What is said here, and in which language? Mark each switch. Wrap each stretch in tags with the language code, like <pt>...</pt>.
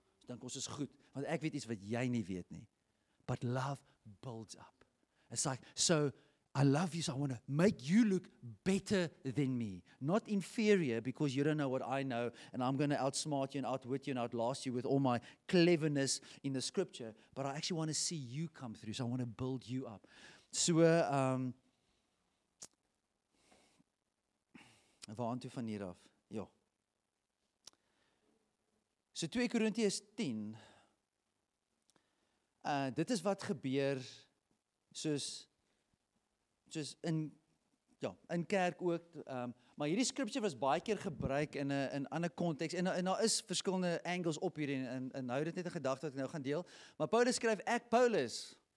<af>Dink ons is goed, want ek weet iets wat jy nie weet nie.</af> <en>But love builds up. It's like, so I love you, so I want to make you look better than me. Not inferior, because you don't know what I know, and I'm going to outsmart you and outwit you and outlast you with all my cleverness in the scripture, but I actually want to see you come through, so I want to build you up.</en> <af>So, waaraan toe van hier af? Ja. So, 2 Korintiërs 10, dit is wat gebeur, soos in kerk ook, maar hierdie scripture was baie keer gebruik in 'n ander context, en daar is verskillende angles op hierdie, en hou dit net 'n gedagte wat ek nou gaan deel, maar Paulus skryf, ek Paulus,</af>